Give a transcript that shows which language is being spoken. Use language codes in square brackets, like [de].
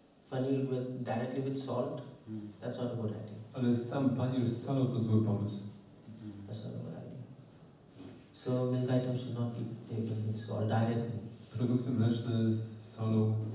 [en] Panier with directly with salt, that's not a good idea. [pl] Ale sam panier z salą to zły pomysł. [en] That's not a good idea. So milk items should not be taken with salt directly. [pl] Produkty mleczne z solą.